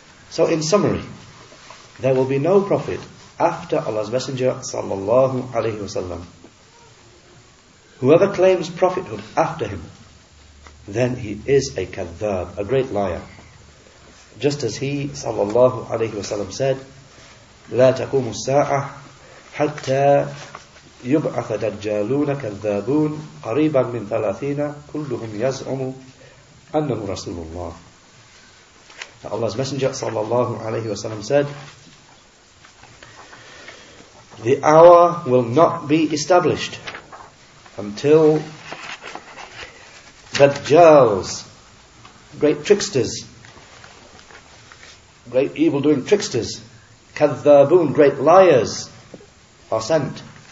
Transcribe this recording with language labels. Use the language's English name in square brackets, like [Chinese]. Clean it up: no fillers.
[English] So in summary, there will be no prophet after Allah's Messenger sallallahu alaihi wasallam. Whoever claims prophethood after him, then he is a kadhab, a great liar. Just as he sallallahu alaihi wasallam said, [Arabic] لا تقوم الساعة حتى يبعث دجالون كذابون قريبا من ثلاثين كلهم يزعم أنه رسول الله. [English] Now Allah's Messenger sallallahu alaihi wasallam said, the hour will not be established until Dajjals, great tricksters, great evil-doing tricksters, kathaboon, great liars, are sent.